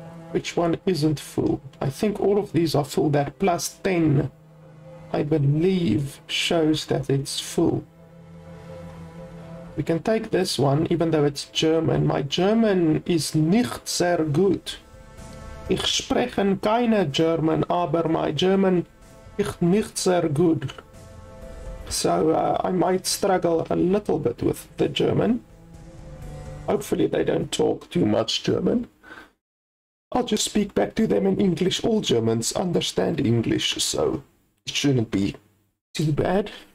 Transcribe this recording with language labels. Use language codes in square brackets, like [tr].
[en] Which one isn't full? I think all of these are full. That plus 10, I believe, shows that it's full. We can take this one, even though it's German. My German is [de] nicht sehr gut. Ich spreche keine German, aber [en] my German is [de] nicht sehr gut. [en] So I might struggle a little bit with the German. Hopefully they don't talk too much German. I'll just speak back to them in English. All Germans understand English, so it shouldn't be too bad.